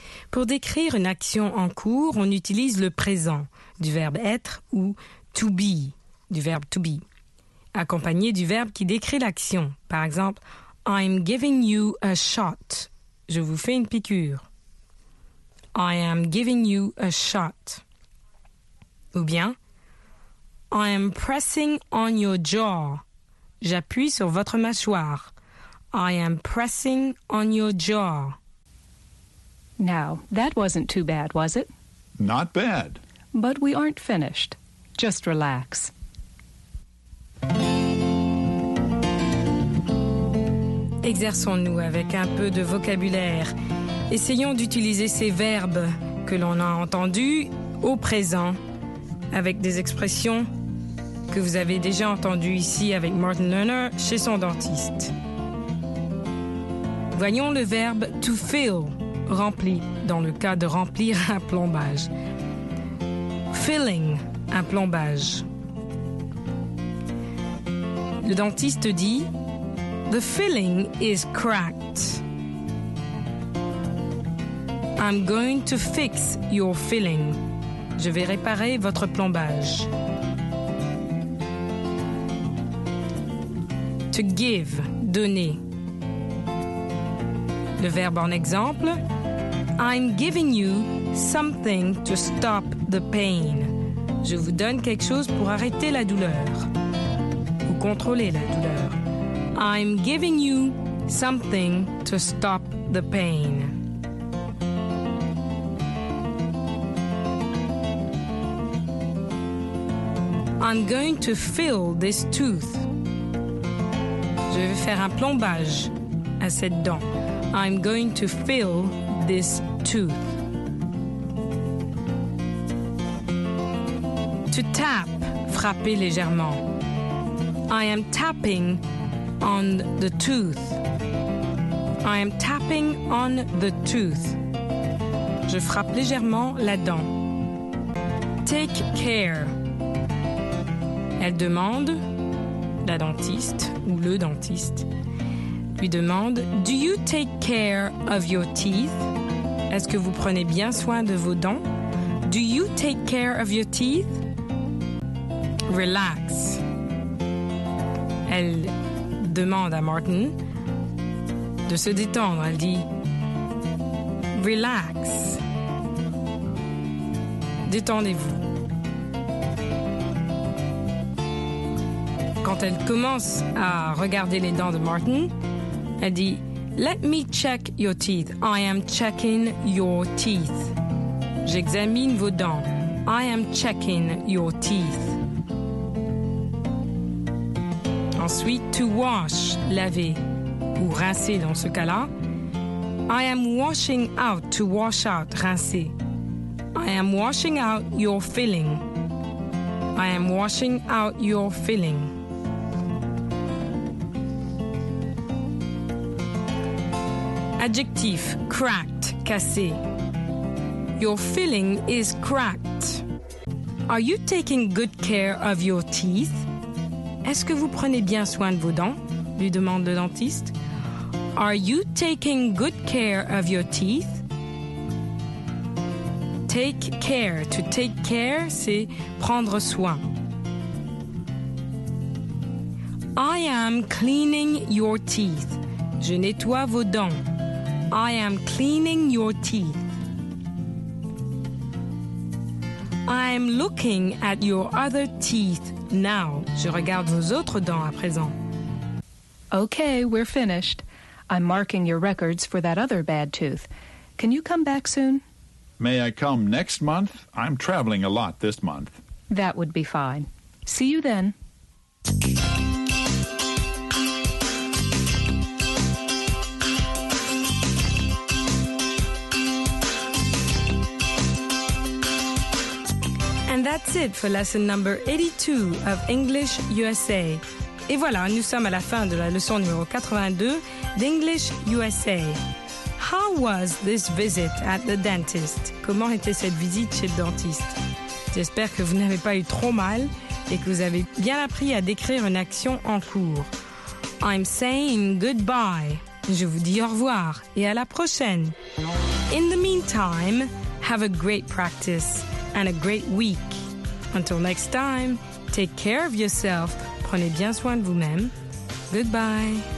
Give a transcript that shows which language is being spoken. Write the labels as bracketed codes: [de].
[fr] Pour décrire une action en cours, on utilise le présent du verbe être ou to be, du verbe to be, accompagné du verbe qui décrit l'action. Par exemple, [en] I'm giving you a shot. [fr] Je vous fais une piqûre. [en] I am giving you a shot. [fr] Ou bien, [en] I am pressing on your jaw. [fr] J'appuie sur votre mâchoire. [en] I am pressing on your jaw. Now, that wasn't too bad, was it? Not bad. But we aren't finished. Just relax. [fr] Exerçons-nous avec un peu de vocabulaire. Essayons d'utiliser ces verbes que l'on a entendus au présent avec des expressions que vous avez déjà entendues ici avec Martin Lerner chez son dentiste. Voyons le verbe « to fill ». Rempli, dans le cas de remplir un plombage. Filling, un plombage. Le dentiste dit, [en] The filling is cracked. I'm going to fix your filling. [fr] Je vais réparer votre plombage. [en] To give, donner. [fr] Le verbe en exemple, [en] I'm giving you something to stop the pain. [fr] Je vous donne quelque chose pour arrêter la douleur. Ou contrôler la douleur. [en] I'm giving you something to stop the pain. I'm going to fill this tooth. [fr] Je vais faire un plombage à cette dent. [en] I'm going to fill this tooth. [fr] To tap, frapper légèrement. [en] I am tapping on the tooth. I am tapping on the tooth. [fr] Je frappe légèrement la dent. Take care. Elle demande, la dentiste ou le dentiste, lui demande, [en] Do you take care of your teeth? [fr] Est-ce que vous prenez bien soin de vos dents? [en] Do you take care of your teeth? Relax. [fr] Elle demande à Martin de se détendre. Elle dit, Relax. Détendez-vous. Quand elle commence à regarder les dents de Martin, elle dit, [en] Let me check your teeth. I am checking your teeth. [fr] J'examine vos dents. [en] I am checking your teeth. [fr] Ensuite, to wash, laver, ou rincer dans ce cas-là. [en] I am washing out, to wash out, rincer. I am washing out your filling. I am washing out your filling. [fr] Adjectif, cracked, cassé. [en] Your filling is cracked. Are you taking good care of your teeth? [fr] Est-ce que vous prenez bien soin de vos dents? Lui demande le dentiste. [en] Are you taking good care of your teeth? Take care. [fr] To take care, c'est prendre soin. [en] I am cleaning your teeth. [fr] Je nettoie vos dents. [en] I am cleaning your teeth. I am looking at your other teeth now. [fr] Je regarde vos autres dents à présent. [en] Okay, we're finished. I'm marking your records for that other bad tooth. Can you come back soon? May I come next month? I'm traveling a lot this month. That would be fine. See you then. And that's it for lesson number 82 of English USA. [fr] Et voilà, nous sommes à la fin de la leçon numéro 82 d'English USA. [en] How was this visit at the dentist? [fr] Comment était cette visite chez le dentiste? J'espère que vous n'avez pas eu trop mal et que vous avez bien appris à décrire une action en cours. [en] I'm saying goodbye. [fr] Je vous dis au revoir et à la prochaine. [en] In the meantime, have a great practice and a great week. Until next time, take care of yourself. [fr] Prenez bien soin de vous-même. [en] Goodbye.